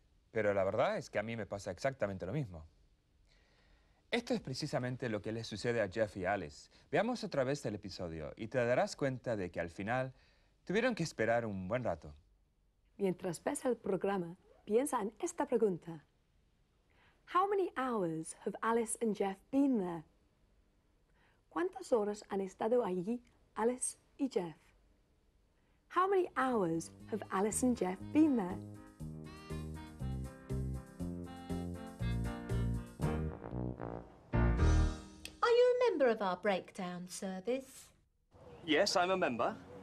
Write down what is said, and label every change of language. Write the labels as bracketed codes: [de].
[es] Pero la verdad es que a mí me pasa exactamente lo mismo. Esto es precisamente lo que les sucede a Jeff y Alice. Veamos otra vez el episodio y te darás cuenta de que al final tuvieron que esperar un buen rato. Mientras ves el programa, piensa en esta pregunta. [en] How many hours have Alice and Jeff been there? [es] ¿Cuántas horas han estado allí Alice y Jeff? [en] How many hours have Alice and Jeff been there? Are you a member of our breakdown service? Yes, I'm a member.